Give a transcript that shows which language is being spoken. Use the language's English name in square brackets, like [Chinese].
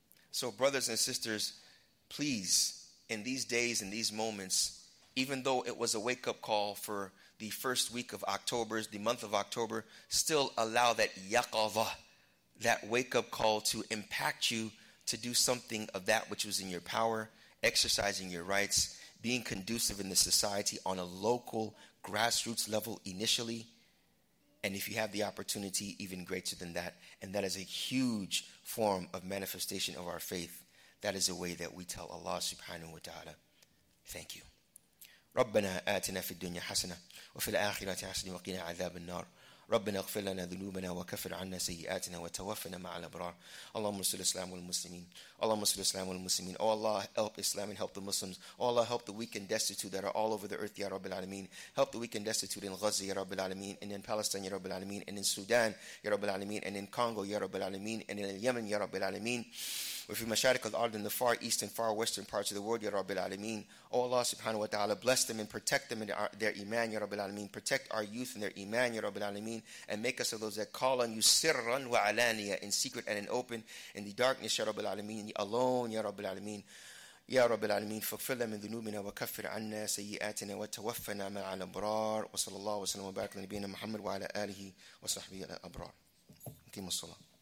[English] So brothers and sisters, please, in these days, in these moments, even though it was a wake-up call for the first week of October, the month of October, still allow that yaqava, that wake-up call to impact you to do something of that which was in your power, exercising your rights, being conducive in the society on a local grassroots level initially, and if you have the opportunity, even greater than that. And that is a huge form of manifestation of our faith. That is a way that we tell Allah subhanahu wa ta'ala, thank you. [Arabic] ربنا آتنا في الدنيا حسنة وفي الآخرة حسنة وقنا عذاب النار ربنا اغفر لنا ذنوبنا وكفر عنا سيئاتنا وتوفنا مع الأبرار اللهم صل إسلام والمسلمين اللهم صل إسلام والمسلمين [English] Oh Allah, help Islam and help the Muslims. Oh Allah, help the weak and destitute that are all over the earth, Ya Rabbil Alameen. Help the weak and destitute in Gaza, Ya Rabbil Alameen, and in Palestine, Ya Rabbil Alameen, and in Sudan, Ya Rabbil Alameen, and in Congo, Ya Rabbil Alameen, and in Yemen, Ya Rabbil Alameen. [Arabic] وفي مشارق الأرض [English] in the far east and far western parts of the world [Arabic] يا رب العالمين. [English] O Allah subhanahu wa ta'ala, bless them and protect them in their iman [Arabic] يا رب العالمين. [English] Protect our youth in their iman [Arabic] يا رب العالمين. [English] And make us of those that call on you sirran wa alaniya, in secret and in open, in the darkness يا رب العالمين, alone يا رب العالمين. [Arabic] يا رب العالمين فاغفر لنا من ذنوبنا وكفر عنا سيئاتنا وتوفنا مع الأبرار. وصلى الله وسلم وبارك على نبينا محمد وعلى آله وصحبه الأبرار. أقيم الصلاة.